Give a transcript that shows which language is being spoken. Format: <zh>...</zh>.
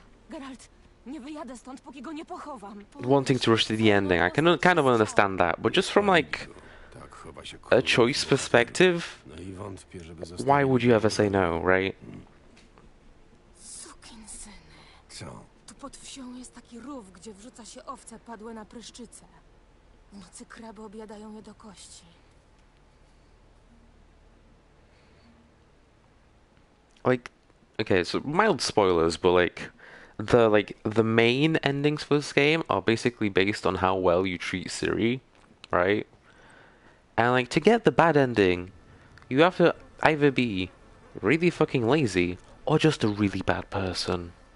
<pl>Geralt, nie wyjadę stąd, póki go nie pochowam.</pl> <en>Wanting to rush to the ending. I can kind of understand that. But just from like a choice perspective, why would you ever say no, right?</en> <pl>Sukin syn. Co? Pod wsią jest taki rów, gdzie wrzuca się owce padłe na pryszczyce. W nocy kreby objadają je do kości.</pl> <en>Like, okay, so mild spoilers, but like, the main endings for this game are basically based on how well you treat Ciri, right? And like, to get the bad ending, you have to either be really fucking lazy or just a really bad person.</en>